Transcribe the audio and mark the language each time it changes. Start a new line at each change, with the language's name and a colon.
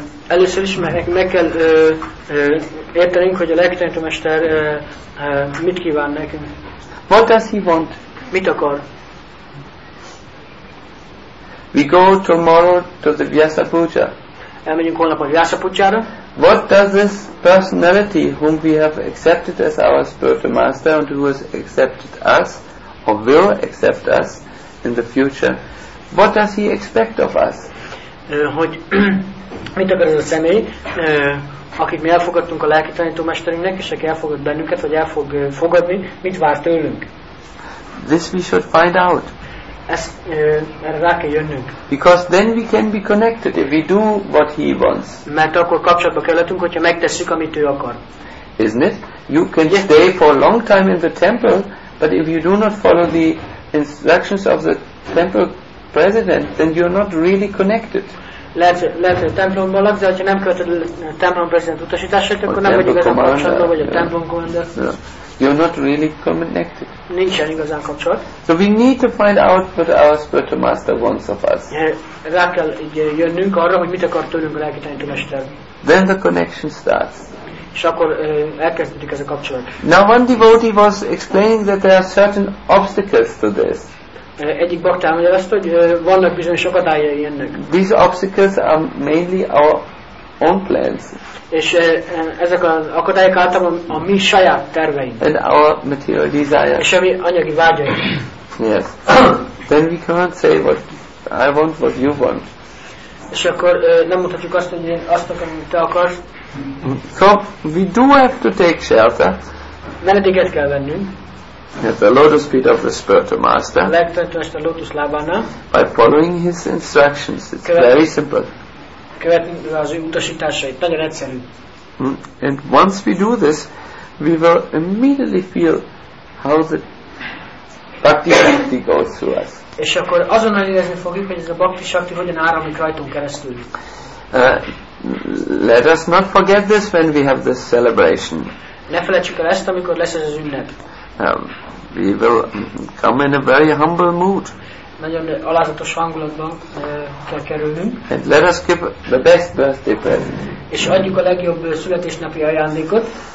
Hungarian: Először is meg kell értenünk, hogy a legtöbb mester mit kíván nekünk.
English: What does he want?
Hungarian: Mit akar?
English: We go tomorrow to the Vyasa Puja.
Hungarian: Elmegyünk holnap a Vyasa Pujára.
English: What does this personality whom we have accepted as our spiritual master and who has accepted us or will accept us in the future, what does he expect of us?
Hungarian: Hogy mit akar ez a személy, akit mi elfogadtunk a lelki tanító mesterünknek, és aki elfogad bennünket, vagy el fog fogadni, mit vár tőlünk?
English: This we should find out.
Hungarian: Ezt erre rá kell jönnünk.
English: Because then we can be connected if we do what he wants.
Hungarian: Mert akkor kapcsolatba kerülhetünk, hogyha megtesszük, amit ő akar.
English: Isn't it? You can stay for a long time in the temple, but if you do not follow the instructions of the temple president, then you're not really connected.
Hungarian: lehet, hogy a templomban laksz, de ha nem követed a templom prezident utasításait, akkor nem vagy igazán kapcsolatban, vagy a templom commander.
English: You're not really connected.
Hungarian: Nincsen igazán kapcsolat.
English: So we need to find out what our spiritual master wants of us.
Hungarian: Rá kell így jönnünk arra, hogy mit akar tőlünk a lelki tanító mester.
English: Then the connection starts.
Hungarian: És akkor elkezdődik ez a kapcsolat.
English: Now one devotee was explaining that there are certain obstacles to this.
Hungarian: Egyik baktám magyarázta, hogy vannak bizonyos akadályai ennek.
English: These obstacles are mainly our own plans.
Hungarian: És ezek az akadályok általában a mi saját terveink.
English: And our material desires.
Hungarian: És a mi anyagi vágyaink.
English: Yes. Then we can't say what I want, what you want.
Hungarian: És akkor nem mutatjuk azt, hogy én azt akarom, amit te akarsz.
English: So we do have to take shelter.
Hungarian: Menedéket kell vennünk.
English: At the lotus feet of the spiritual master.
Hungarian: Legtöntöst a lotus lábánál.
English: By following his instructions, it's very simple.
Hungarian: Követni az ő utasításait, nagyon egyszerű.
English: And once we do this, we will immediately feel how the bhakti shakti goes through us.
Hungarian: És akkor azonnal érezni fogjuk, hogy ez a bhakti shakti hogyan áramlik rajtunk keresztül.
English: Let us not forget this when we have this celebration.
Hungarian: Ne felejtsük el ezt, amikor lesz ez az ünnep.
English: We will come in a very humble mood.
Hungarian: Nagyon alázatos hangulatban kell kerülnünk.
English: And let us give the best birthday present.
Hungarian: És adjuk a legjobb születésnapi ajándékot.